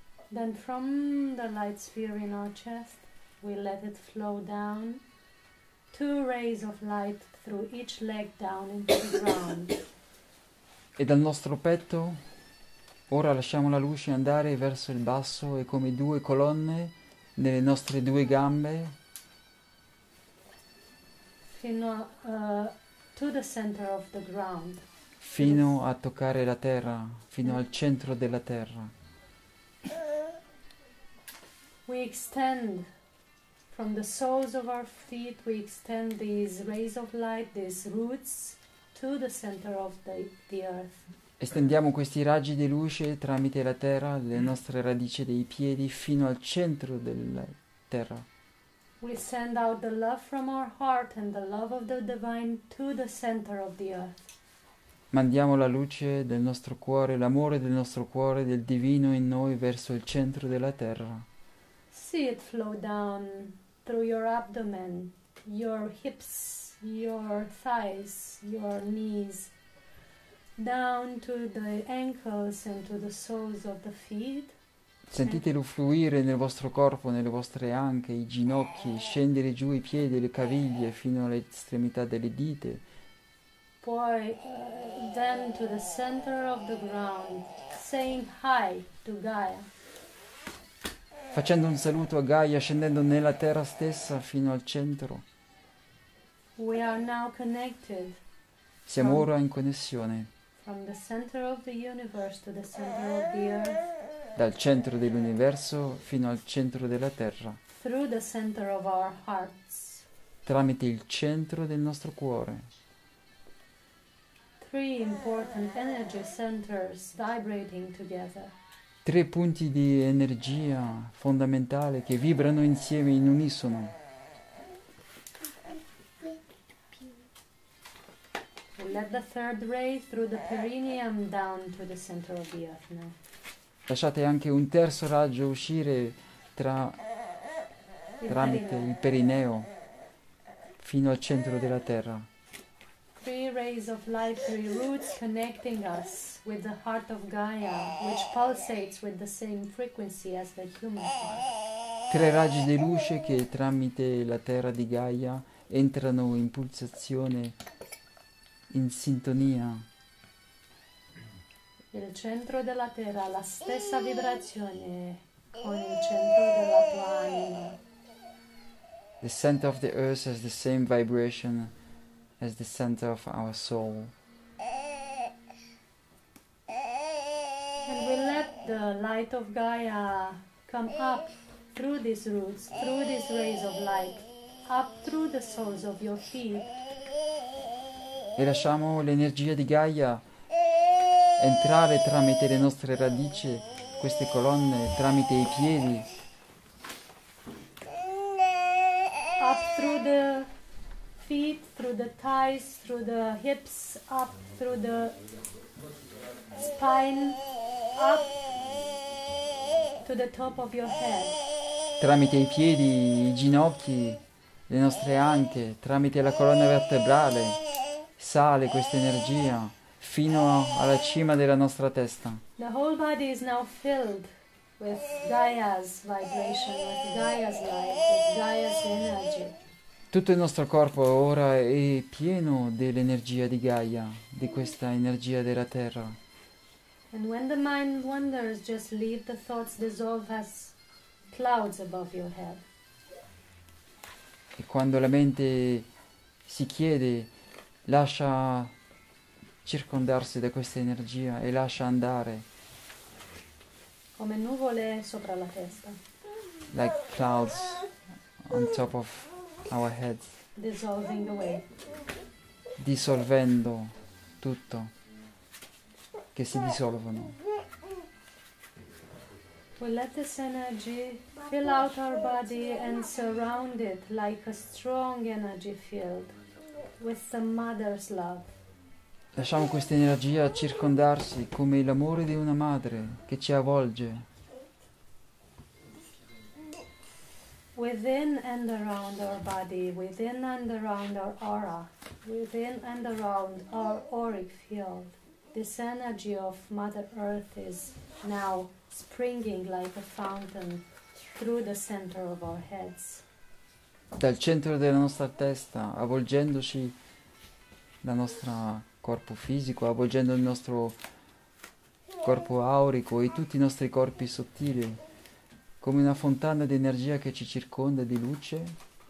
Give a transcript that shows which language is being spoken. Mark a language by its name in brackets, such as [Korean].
[English] Then from the light sphere in our chest, we let it flow down, two rays of light through each leg down into the ground. [Italian] dal nostro petto, ora lasciamo la luce andare verso il basso e come due colonne nelle nostre due gambe. Fino [English] to the center of the ground, to the [Italian] Fino a toccare la terra, fino al centro della terra. [English] We extend from the soles of our feet, we extend these rays of light, these roots, to the center of the earth. [Italian] Estendiamo questi raggi di luce tramite la terra, le nostre radici dei piedi, fino al centro della terra. [English] We send out the love from our heart and the love of the divine to the center of the earth. [Italian] Mandiamo la luce del nostro cuore, l'amore del nostro cuore, del divino in noi verso il centro della terra. [English] See it flow down through your abdomen, your hips, your thighs, your knees, down to the ankles and to the soles of the feet. [Italian] Sentitelo fluire nel vostro corpo, nelle vostre anche, i ginocchi, scendere giù i piedi, le caviglie, fino alle estremità delle dita. Poi, [English] then to the center of the ground, saying hi to Gaia. [Italian] Facendo un saluto a Gaia, scendendo nella terra stessa fino al centro. [English] We are now connected [Italian] Siamo ora in connessione. [English] from the center of the universe to the center of the [Italian] Dal centro dell'universo fino al centro della terra. Tramite [English] earth, through the center of our hearts. [Italian] il centro del nostro cuore. [English] Three important energy centers vibrating together. [Italian] Tre punti di energia fondamentale che vibrano insieme in unisono. [English] Let the third ray through the perineum down to the center of the earth now. [Italian] Lasciate anche un terzo raggio uscire tra Il tramite il perineo. perineo fino al centro della terra. [English] Three rays of light, three roots connecting us with the heart of Gaia, which pulsates with the same frequency as the human heart. [Italian] Tre raggi di luce che tramite la terra di Gaia entrano in pulsazione, in sintonia. Il centro della terra ha la stessa vibrazione con il centro della tua anima. [English] The center of the earth has the same vibration as the center of our soul. And we let the light of Gaia come up through these roots, through these rays of light, up through the soles of your feet. [Italian] E lasciamo l'energia di Gaia entrare tramite le nostre radici, queste colonne, tramite i piedi. [English] Up through the feet, through the thighs, through the hips, up through the spine, up to the top of your head. [Italian] Tramite i piedi, i ginocchi, le nostre anche, tramite la colonna vertebrale. Sale questa energia fino alla cima della nostra testa. [English] The whole body is now filled with Gaia's vibration, with Gaia's light, with Gaia's energy. [Italian] Tutto il nostro corpo ora è pieno dell'energia di Gaia, di questa energia della terra. [English] And when the mind wanders, just leave the thoughts dissolve as clouds above your head. [Italian] E quando la mente si chiede, lascia circondarsi da questa energia e lascia andare. Come nuvole sopra la testa. [English] Like clouds on top of our heads. Dissolving away. [Italian] Dissolvendo tutto, che si dissolvono. [English] We let this energy fill out our body and surround it like a strong energy field with the mother's love. [Italian] Lasciamo questa energia circondarsi come l'amore di una madre che ci avvolge. [English] within and around our body, within and around our aura, within and around our auric field. This energy of Mother Earth is now springing like a fountain through the center of our heads. [Italian] Dal centro della nostra testa, avvolgendoci la nostra corpo fisico, avvolgendo il nostro corpo aurico e tutti i nostri corpi sottili, come una fontana di energia che ci circonda di luce.